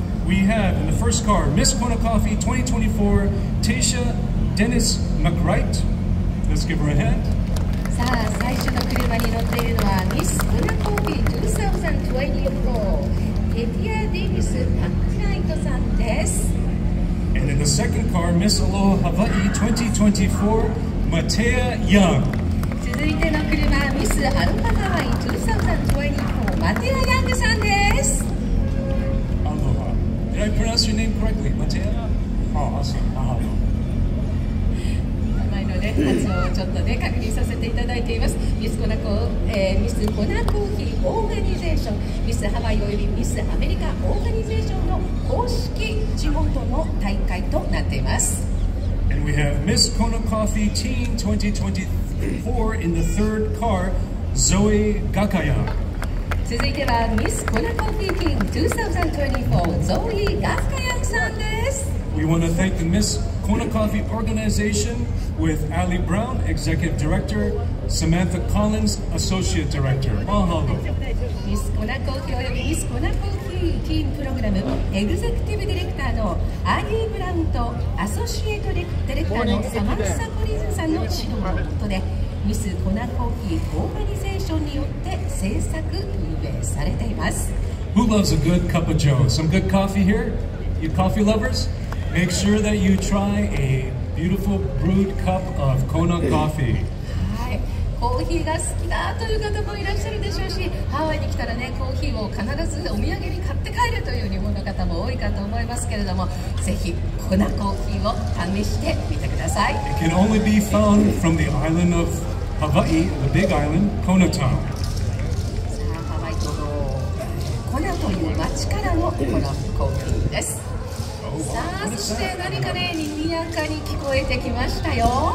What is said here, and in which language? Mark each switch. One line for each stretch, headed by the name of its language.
English: We have in the first car Miss Kona Coffee 2024, Tasha Dennis McWright. Let's give her a hand.
Japanese: さあ、最初の車に乗っているのは Miss Kona Coffee 2024, Tasha Dennis McWright さんです。
English: And in the second car, Miss Aloha Hawaii 2024, Matea Young.
Japanese: 続いての車、ミスアロハハワイ2024、マテア・ヤングさんです。
English: アロハ。Did I pronounce your name correctly? マテア？ああ、アロハ。
Japanese: 名前のね、発音をちょっとね、確認させていただいています。ミスコナコ、ミスコナコーヒーオーガニゼーション、ミスハワイおよびミスアメリカオーガニゼーションの公式地元の大会となっています。
English: And we have Miss Kona Coffee Team 2024 in the third car, Zoe Gakaya.
Japanese: 続いてはミスコナコーヒーティーム2024、Zoe Gakaya さんです。
English: We want to thank the Miss Kona Coffee Organization with Ali Brown, Executive Director, Samantha Collins, Associate Director. Mahalo.
Japanese: ミスコナコーヒーおよびミスコナコーヒーティームプログラムエグゼクティブディレクターのアーリー・ブラウンとアソシエートディレクターのサマンサ・コリンズさんの指導のもとで、ミス・コナ・コーヒー・オーガニゼーションによって制作運営されています。
English: Who loves a good cup of joe? Some good coffee here? You coffee lovers? Make sure that you try a beautiful brewed cup of Kona coffee.
Japanese: コーヒーが好きだという方もいらっしゃるでしょうし、ハワイに来たらね、コーヒーを必ずお土産に買って帰るという日本の方も多いかと思いますけれども、ぜひ粉コーヒーを試してみてください。
English: It can only be found from the island of Hawaii, the big island, Kona Town.
Japanese: さあ、ハワイ島の粉という町からのこのコーヒーです。さあ、そして何かね、にぎやかに聞こえてきましたよ。